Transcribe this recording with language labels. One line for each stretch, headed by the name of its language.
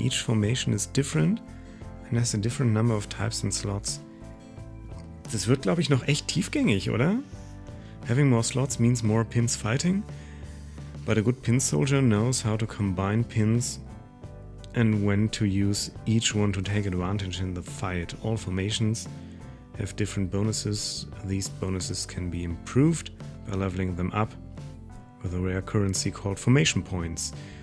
English: Each formation is different and has a different number of types and slots.
German: Das wird, glaube ich, noch echt tiefgängig, oder?
English: Having more slots means more pins fighting. But a good pin soldier knows how to combine pins and when to use each one to take advantage in the fight. All formations have different bonuses. These bonuses can be improved by leveling them up with a rare currency called formation points.